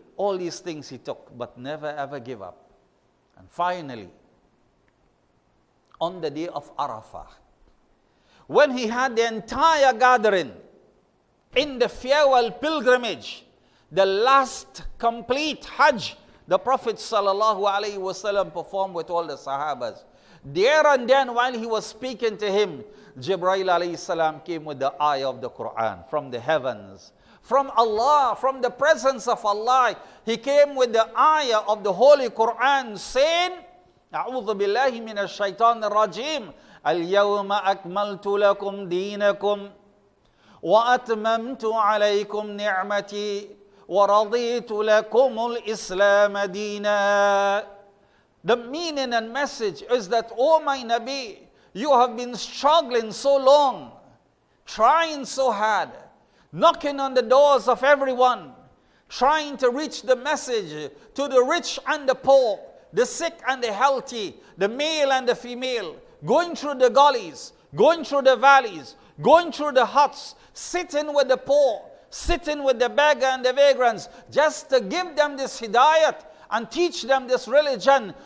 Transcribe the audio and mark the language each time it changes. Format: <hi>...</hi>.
<en>All these things he took, but never ever give up. And finally, on the day of Arafah, when he had the entire gathering in the farewell pilgrimage, the last complete Hajj the Prophet sallallahu alaihi wasallam performed with all the Sahabas. There and then, while he was speaking to him, Jibreel alayhi salam came with the ayah of the Quran from the heavens, from Allah, from the presence of Allah. He came with the ayah of the Holy Quran saying,</en> <ar>أعوذ بالله من الشيطان الرجيم اليوم أكملت لكم دينكم وأتممت عليكم نعمتي ورضيت لكم الإسلام دينا.</ar> <en>The meaning and message is that, O my Nabi, you have been struggling so long, trying so hard, knocking on the doors of everyone, trying to reach the message to the rich and the poor, the sick and the healthy, the male and the female, going through the gullies, going through the valleys, going through the huts, sitting with the poor, sitting with the beggar and the vagrants, just to give them this hidayat and teach them this religion.</en>